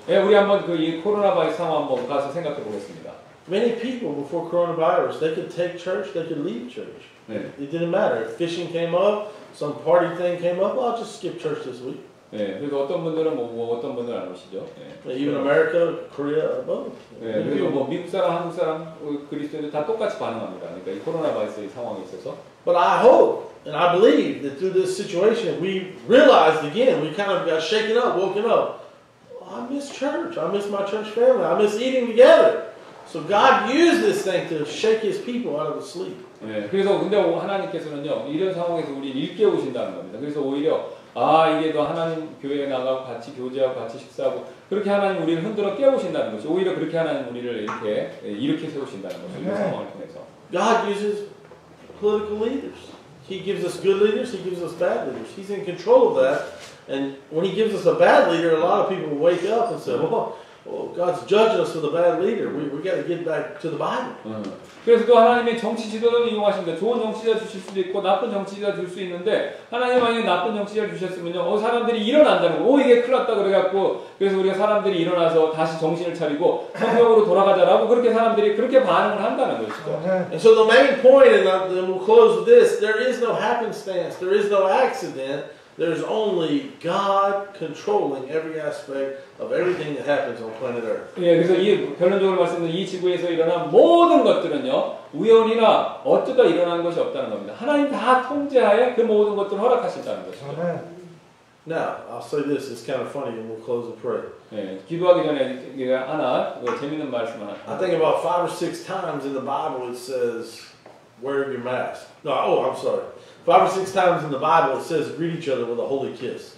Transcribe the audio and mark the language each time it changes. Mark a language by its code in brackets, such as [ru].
[ko] 예, 우리 한번 그 이 코로나 바이러스 상황 한번 가서 생각해 보겠습니다. [en] Many people before coronavirus, they could take church, they could leave church. [ko] 네. [en] It didn't matter. If fishing came up, some party thing came up, I'll just skip church this week. [ko] 네, 그래서 어떤 분들은 뭐 어떤 분들은 안 오시죠. [en] 네. Even America, Korea, both. [ko] 네, 그리고 뭐 미국 사람, 한국 사람, 그리스도인들 다 똑같이 반응합니다. 그러니까 이 코로나 바이러스의 상황에 있어서. [en] But I hope and I believe that through this situation, we realized again, we kind of got shaken up, woken up. I miss church. I miss my church family. I miss eating together. So God used this thing to shake His people out of the sleep. [ko] 네, 그래서 근데 하나님께서는요 이런 상황에서 우리 일깨우신다는 겁니다. 그래서 오히려 아 이게 더 하나님 교회에 나가 같이 교제하고 같이 식사하고 그렇게 하나님 우리를 흔들어 깨우신다는 거죠. 오히려 그렇게 하나님 우리를 이렇게 일으켜 세우신다는 거죠. 이런 상황을 통해서. [en] God uses political leaders. He gives us good leaders. He gives us bad leaders. He's in control of that. And when He gives us a bad leader, a lot of people wake up and say, "Oh." Oh, God's judging us for the bad leader. We got to get back to the Bible. [ko] 그래서 또 하나님의 정치 지도를 이용하신다. 좋은 정치자 주실 수도 있고 나쁜 정치자 줄 수 있는데 하나님 만약에 나쁜 정치자 주셨으면요, 사람들이 일어난다면, 이게 큰일 났다 그래갖고 그래서 우리가 사람들이 일어나서 다시 정신을 차리고 성경으로 돌아가자라고 그렇게 사람들이 그렇게 반응을 한다는 것이죠. [en] And so the main point, and then we'll close with this: there is no happenstance, there is no accident. There's only God controlling every aspect of everything that happens on planet Earth. [ko] 예, 그래서 이 결론적으로 말씀드리면 이 지구에서 일어난 모든 것들은요 우연이나 어쩌다 일어난 것이 없다는 겁니다. 하나님 다 통제하여 그 모든 것들을 허락하신다는 것이죠. [en] Now, I'll say this. It's kind of funny, and we'll close the prayer. [ko] 예, 기도하기 전에 하나 재밌는 말씀 하나. [en] I think about 5 or 6 times in the Bible it says, "Wear your mask." No, oh, I'm sorry. 5 or 6 times in the Bible it says greet each other with a holy kiss.